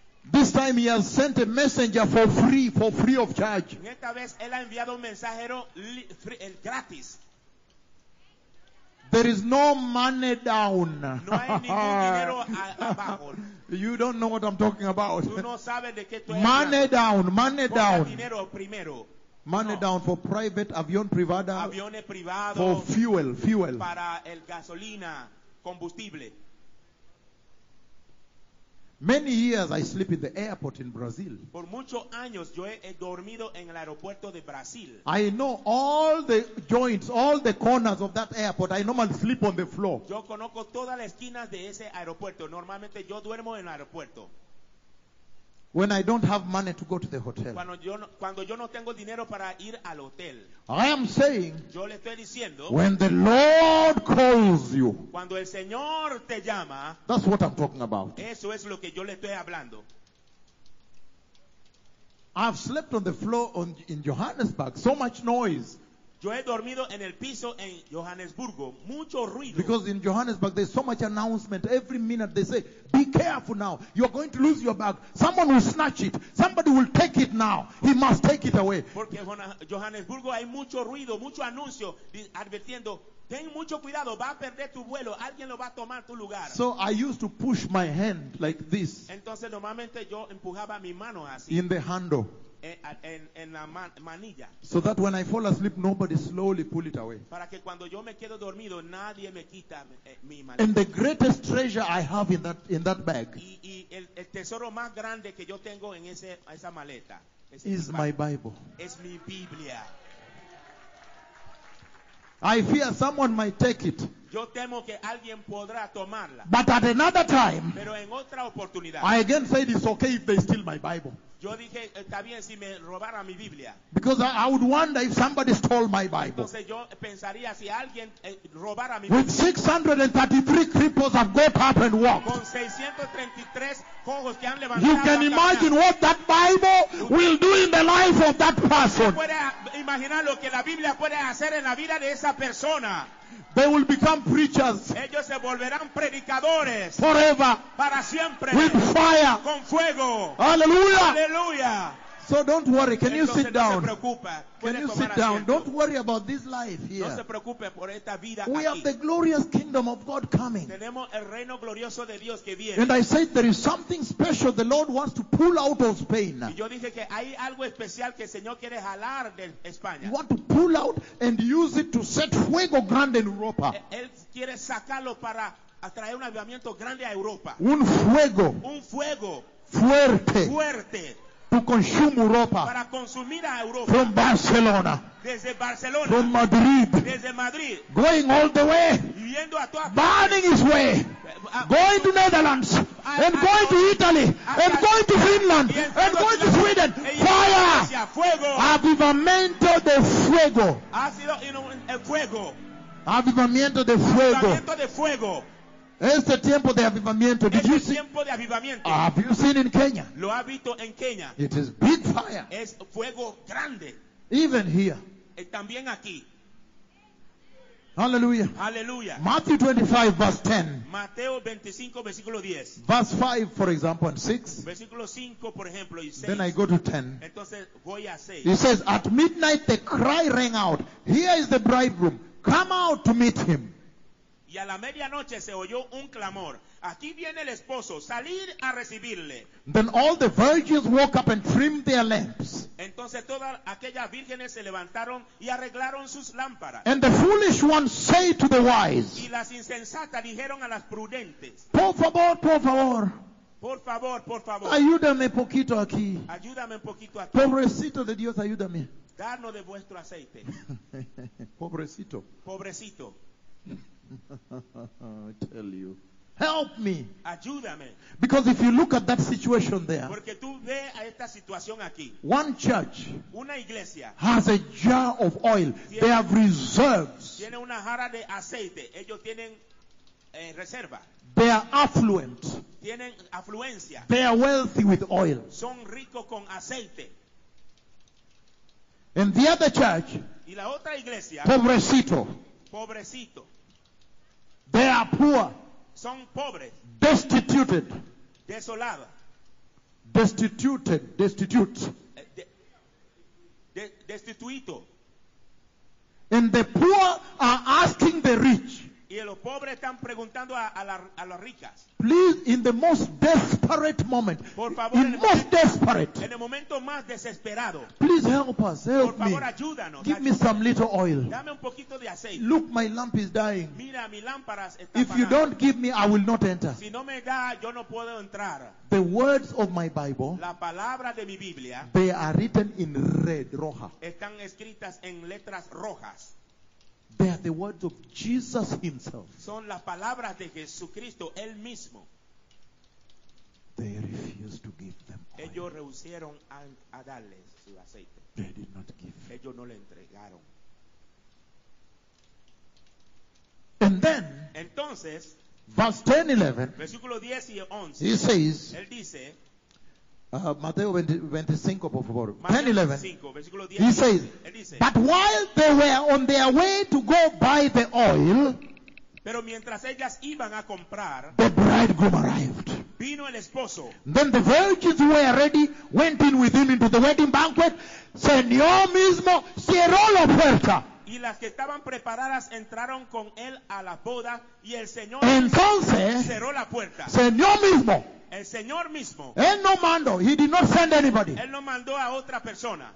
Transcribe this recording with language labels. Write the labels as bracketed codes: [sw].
[en] This time he has sent a messenger for free of charge. [es] En esta vez él ha enviado un mensajero free, gratis. [en] There is no money down. [es] No hay ningún dinero abajo. [en] You don't know what I'm talking about. [es] Tú no sabes de qué estoy hablando. [en] Money down, money down. [es] Ponga dinero primero. [en] Money no. Down for private [es] avión privada. Aviones privados. [en] For fuel, fuel. [es] Para el gasolina, combustible. [en] Many years I sleep in the airport in Brazil. [es] Por muchos años yo he dormido en el aeropuerto de Brasil. [en] I know all the joints, all the corners of that airport. I normally sleep on the floor. [es] Yo conozco todas las esquinas de ese aeropuerto. Normalmente yo duermo en el aeropuerto. [en] When I don't have money to go to the hotel. [es] Cuando yo no tengo dinero para ir al hotel. [en] I am saying. [es] Yo le estoy diciendo. [en] When the Lord calls you. [es] Cuando el Señor te llama. [en] That's what I'm talking about. [es] Eso es lo que yo le estoy hablando. [en] I've slept on the floor in Johannesburg. So much noise. [es] Yo he dormido en el piso en Johannesburgo. Mucho ruido. [en] Because in Johannesburg there's so much announcement. Every minute they say, be careful now. You're going to lose your bag. Someone will snatch it. Somebody will take it now. He must take it away. [es] Porque en Johannesburgo hay mucho ruido, mucho anuncio advirtiendo, ten mucho cuidado, va a perder tu vuelo. Alguien lo va a tomar tu lugar. [en] So I used to push my hand like this. [es] Entonces normalmente yo empujaba mi mano así. [en] In the handle. [es] En la manilla. [en] So that when I fall asleep, nobody slowly pull it away. [es] Para que cuando yo me quedo dormido, nadie me quita mi manilla. [en] And the greatest treasure I have in that bag. [es] Y el tesoro más grande que yo tengo en esa maleta. [en] Is my Bible. [es] Es mi Biblia. [en] I fear someone might take it. [es] Yo temo que alguien podrá tomarla. [en] But at another time. [es] Pero en otra oportunidad. [en] I again say it's okay if they steal my Bible. [es] Yo dije, está bien si me robara mi Biblia. [en] Because I would wonder if somebody stole my Bible. [es] Entonces yo pensaría si alguien robara mi Biblia. [en] With 633 cripples have got up and walked. [es] Con 633 cojos que han levantado. [en] You can imagine what that Bible will do in the life of that person. [es] Puede imaginar lo que la Biblia puede hacer en la vida de esa persona. [en] They will become preachers. [es] Ellos se volverán predicadores. [en] Forever. [es] Para siempre. [en] With fire. [es] Con fuego. [en] Hallelujah. Hallelujah. So don't worry. Can [es] Entonces, [en] you sit down? [es] No se preocupe. [en] Can you sit down? [es] Asiento. [en] Don't worry about this life here. [es] No se preocupe por esta vida [en] we Have the glorious kingdom of God coming. [es] Tenemos el reino glorioso de Dios que viene. [en] And I said there is something special the Lord wants to pull out of Spain. [es] Y yo dije que hay algo especial que el Señor quiere jalar de España. [en] He wants to pull out and use it to set [es] fuego grande [en] in Europa. [es] Él quiere sacarlo para atraer un avivamiento grande a Europa. Un fuego. Un fuego. Fuerte. Fuerte. [en] To consume Europa. [es] Para consumir a Europa. [en] From Barcelona. [es] Desde Barcelona. [en] From Madrid. [es] Desde Madrid. [en] Going all the way. [es] Yendo a toda [en] burning his way. Going to Netherlands. And going to Italy. And going to Finland. And going to Sweden. Fire. [es] Fuego. Avivamiento de fuego. Ha sido el fuego. Avivamiento de fuego. Avivamiento de fuego. Este tiempo de avivamiento. [en] Did [es] este [en] you see? [es] Tiempo de avivamiento. [en] Have you seen in Kenya? [es] Lo ha visto en Kenya. [en] It is big fire. [es] Es fuego grande. [en] Even here. [es] También aquí. [en] Hallelujah. [es] Hallelujah. [en] Matthew 25 verse 10. [es] Mateo 25 versículo 10. [en] Verse 5 for example and 6. [es] Versículo 5 por ejemplo y 6. [en] Then I go to 10. [es] Entonces voy a 6. [en] He says, at midnight the cry rang out. Here is the bridegroom. Come out to meet him. [es] Y a la medianoche se oyó un clamor. Aquí viene el esposo, salid a recibirle. [en] Then all the virgins woke up and trimmed their lamps. [es] Entonces todas aquellas vírgenes se levantaron y arreglaron sus lámparas. [en] And the foolish ones say to the wise. [es] Y las insensatas dijeron a las prudentes. Por favor, por favor. Por favor, por favor. Ayúdame poquito aquí. Ayúdame un poquito aquí. Pobrecito de Dios, ayúdame. Darnos de vuestro aceite. Pobrecito. Pobrecito. [en] I tell you, help me. [es] Ayúdame. [en] Because if you look at that situation there, [es] porque tú ve a esta situación aquí, [en] one church, [es] una iglesia, [en] has a jar of oil. [es] Tiene, [en] they have reserves. [es] Tiene una jarra de aceite. Ellos tienen reserva. [en] They are affluent. [es] Tienen afluencia. [en] They are wealthy with oil. [es] Son ricos con aceite. [en] And the other church, [es] y la otra iglesia, pobrecito. Pobrecito. [en] They are poor. [es] Son pobres. [en] Destituted. [es] Desolada. [en] Destituted. Destitute. [es] Destituido. [en] And the poor are asking the rich. [es] Y los pobres están preguntando a las ricas. [en] Please, in the most desperate moment. [es] Por favor, [en] in most desperate. [es] En el momento más desesperado. [en] Please help us. Help [es] por favor, [en] me. [es] Ayúdanos. [en] Give me some little oil. [es] Dame un poquito de aceite. [en] Look, my lamp is dying. [es] Mira, mi lámpara está apagada. [en] If you don't give me, I will not enter. [es] Si no me da, yo no puedo entrar. [en] The words of my Bible. [es] La palabra de mi Biblia. [en] They are written in red, [es] roja. Están escritas en letras rojas. [en] They are the words of Jesus himself. [es] Son las palabras de Jesucristo, él mismo. [en] They refused to give them oil. [es] Ellos rehusieron a darles su aceite. [en] They did not give. [es] Ellos no le entregaron. [en] And then, [es] entonces, [en] verse 10 and 11, [es] versículo 10 y 11, [en] he says, [es] él dice, Mateo 25, por favor. Mateo 10, 11. 5, [en] he says, [es] dice, [en] but while they were on their way to go buy the oil, [es] pero mientras ellas iban a comprar, [en] the bridegroom arrived. [es] Vino el esposo. [en] Then the virgins who were ready went in with him into the wedding banquet. [es] Señor mismo cerró la puerta. Y las que estaban preparadas entraron con él a la boda y el Señor entonces, cerró la puerta. Señor mismo. El Señor mismo. Él no mandó. [en] He did not send anybody. [es] Él no mandó a otra persona.